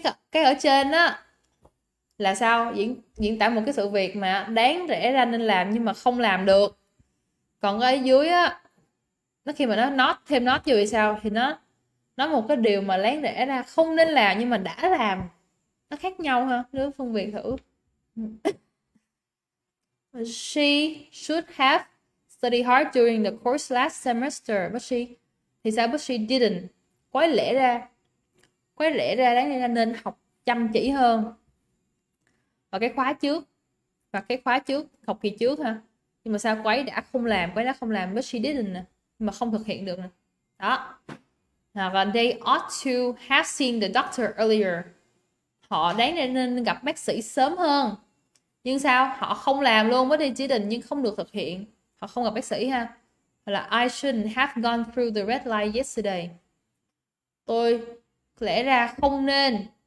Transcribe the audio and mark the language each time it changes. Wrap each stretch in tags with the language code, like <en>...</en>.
<vi>Cái ở trên á là sao? Diễn tả một cái sự việc mà đáng lẽ ra nên làm nhưng mà không làm được. Còn ở dưới á, nó khi mà nó not, thêm not vô thì sao? Thì nó nói một cái điều mà đáng lẽ ra không nên làm nhưng mà đã làm. Nó khác nhau ha? Nếu phân biệt thử.</vi> <en>She should have study hard during the course last semester, but she,</en> <vi>thì sao</vi> <en>but she didn't?</en> <vi>Quá lẽ ra đáng lẽ nên học chăm chỉ hơn vào cái khóa trước, học kỳ trước ha. Nhưng mà sao quấy đã không làm,</vi> <en>but she didn't,</en> <vi>mà không thực hiện được nè. Đó. Hoặc là</vi> <en>they ought to have seen the doctor earlier.</en> <vi>Họ đáng để nên gặp bác sĩ sớm hơn. Nhưng sao? Họ không làm luôn, mới đi chỉ định nhưng không được thực hiện. Họ không gặp bác sĩ ha. Hoặc là</vi> <en>I shouldn't have gone through the red light yesterday.</en> <vi>Tôi lẽ ra không nên.</vi>